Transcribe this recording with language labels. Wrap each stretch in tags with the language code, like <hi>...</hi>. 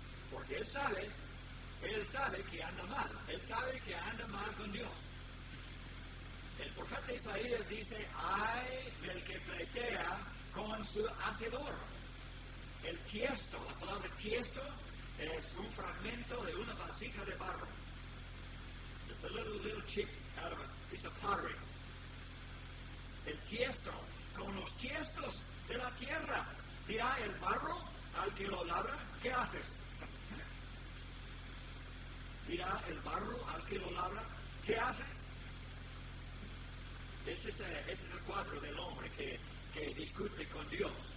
<es>Porque él sabe que anda mal, él sabe que anda mal con Dios. El profeta Isaías dice, ay del que pleitea con su hacedor. El tiesto, la palabra tiesto, es un fragmento de una vasija de barro.</es> <en>It's a little chip out of a piece of pottery.</en> <es>El tiesto, con los tiestos de la tierra, dirá el barro al que lo labra, ¿qué haces? Dirá el barro al que lo labra, ¿qué haces? Ese es el cuadro del hombre que discute con Dios.</es>